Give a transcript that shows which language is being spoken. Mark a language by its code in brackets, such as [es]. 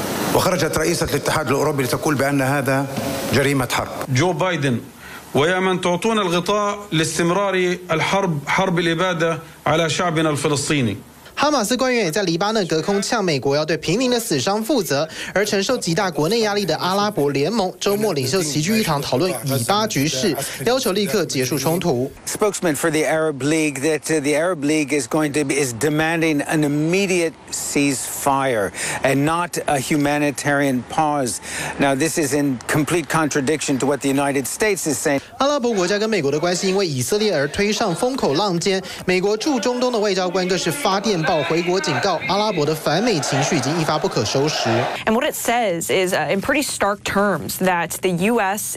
[ar] وخرجت رئيسة الاتحاد الأوروبي لتقول بأن هذا جريمة حرب. جو بايدن ويا من تعطون الغطاء لاستمرار الحرب حرب الإبادة على شعبنا الفلسطيني. [zh] 哈马斯官员也在黎巴嫩隔空呛美国要对平民的死伤负责，而承受极大国内压力的阿拉伯联盟周末领袖齐聚一堂讨论以巴局势，要求立刻结束冲突。 [en] Spokesman for the Arab League that the Arab League is going to be is demanding an immediate ceasefire and not a humanitarian pause. Now this is in complete contradiction to what the United States is saying. [zh] 阿拉伯国家跟美国的关系因为以色列而推上风口浪尖，美国驻中东的外交官更是发电。回国警告，阿拉伯的反美情绪已经一发不可收拾。 [en] And what it says is in pretty stark terms that the U.S.